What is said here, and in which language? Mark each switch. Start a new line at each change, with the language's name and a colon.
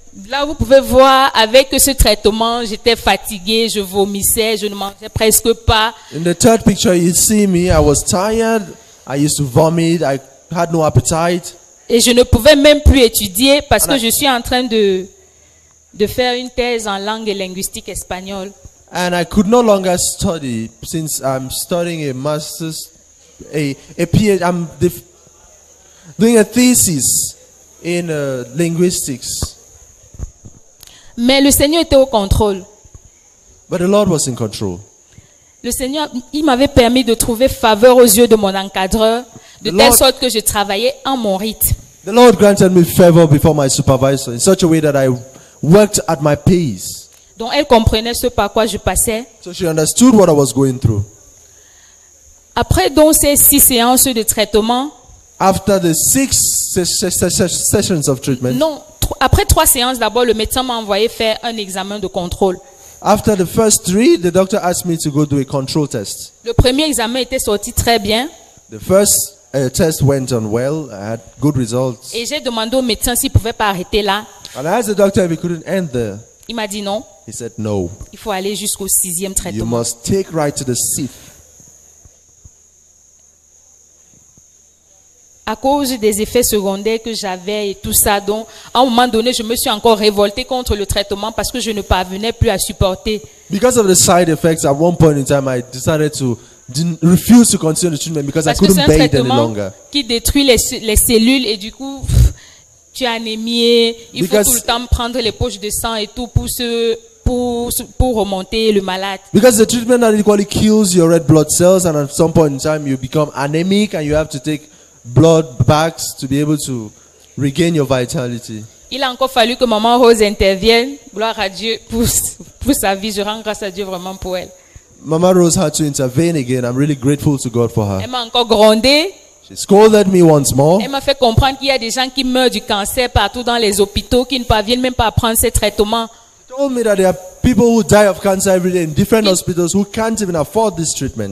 French: Là, vous pouvez voir avec ce traitement, j'étais fatiguée, je vomissais, je ne mangeais presque pas.
English: In the third picture, you see me. I was tired. I used to vomit. I had no appetite.
French: Et je ne pouvais même plus étudier parce que je suis en train de faire une thèse en langue et linguistique espagnole.
English: And I could no longer study since I'm studying a master's, a PhD. I'm doing a thesis in linguistics.
French: Mais le Seigneur était au contrôle.
English: But the Lord was in control.
French: Le Seigneur, il m'avait permis de trouver faveur aux yeux de mon encadreur, de telle sorte que je travaillais en mon rythme.
English: The Lord granted me favor before my supervisor in such a way that I worked at my pace.
French: Donc elle comprenait ce par quoi je passais.
English: So she understood what I was going through.
French: Après donc ces 6 séances de traitement,
English: after the 6 sessions of treatment.
French: Non, après 3 séances d'abord le médecin m'a envoyé faire un examen de contrôle.
English: After the first 3, the doctor asked me to go do a control test.
French: Le premier examen était sorti très bien.
English: The first test went on well. I had good results.
French: Et j'ai demandé au médecin s'il pouvait pas arrêter là.
English: And I asked the doctor if he couldn't end there.
French: Il m'a dit non.
English: He said no.
French: Il faut aller jusqu'au 6e traitement.
English: You must take right to the 6th.
French: À cause des effets secondaires que j'avais et tout ça, donc à un moment donné, je me suis encore révoltée contre le traitement parce que je ne parvenais plus à supporter.
English: Because of the side effects, at one point in time, I decided to refuse to continue the treatment because
French: parce
English: I couldn't bear it any longer.
French: Qui détruit les cellules et du coup, tu es anémié. Faut tout le temps prendre les poches de sang et tout pour remonter le malade.
English: Because the treatment adequately kills your red blood cells and at some point in time, you become anemic and you have to take blood bags to be able to regain your vitality.
French: Il a encore fallu que maman Rose intervienne. Gloire à Dieu pour sa vie. Je rends grâce à Dieu vraiment pour elle.
English: Mama Rose had to intervene again. I'm really grateful to God for her.
French: Elle m'a encore grondé.
English: She scolded me once more.
French: Elle m'a fait comprendre qu'il y a des gens qui meurent du cancer partout dans les hôpitaux qui ne parviennent même pas à prendre ces traitements.
English: Told me that there are people who die of cancer every day in different hospitals who can't even afford this treatment.